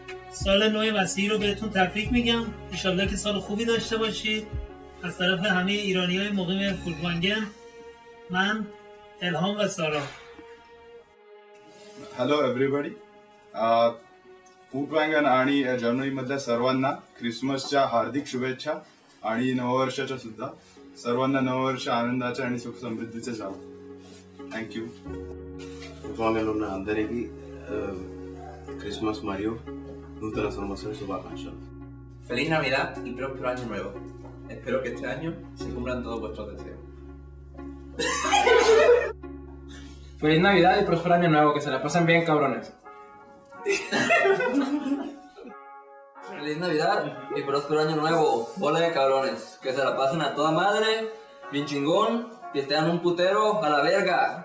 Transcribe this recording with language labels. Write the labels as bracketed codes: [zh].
[fa] سال نوی وسیعی رو بهتون تبریک میگم. انشالله که سال خوبی داشته باشی. از طرف همه ایرانیای مقیم فوروانگن، من الهام و سارا. [en] Hello everybody. [mr] Furtwangen आणि Germany मध्ये सर्वांना क्रिसमसच्या हार्दिक शुभेच्छा आणि नववर्षाच्या सुद्धा सर्वांना नववर्ष आनंदाचे आणि सुख समृद्धीचे जावो. [en] Thank you. [te] Furtwangen ఉన్న అందరికి క్రిస్మస్ మరియు నూతన సంవత్సర శుభాకాంక్షలు. [es] Feliz Navidad y próspero año nuevo. espero que este año se cumplan todos vuestros deseos. Feliz Navidad y próspero año nuevo, que se la pasen bien, cabrones. Feliz Navidad y próspero año nuevo, bola de cabrones, que se la pasen a toda madre, bien chingón, y estén un putero a la verga.